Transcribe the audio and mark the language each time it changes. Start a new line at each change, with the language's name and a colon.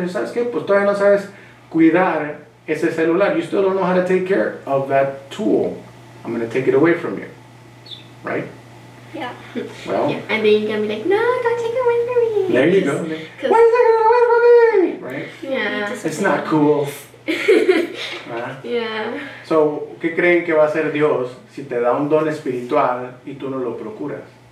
Spanish: ¿Sabes qué? Pues todavía no sabes cuidar ese celular.
English: You still don't know how to take care of that tool. I'm going to take it away from you. Right? Yeah. Well, and then you're going to be like, no, don't take it away from me. There you go. Why are you taking it away from me? Yeah. It's not cool. Yeah.
Spanish: So, ¿qué creen que va a hacer Dios si te da un don espiritual y tú no lo procuras?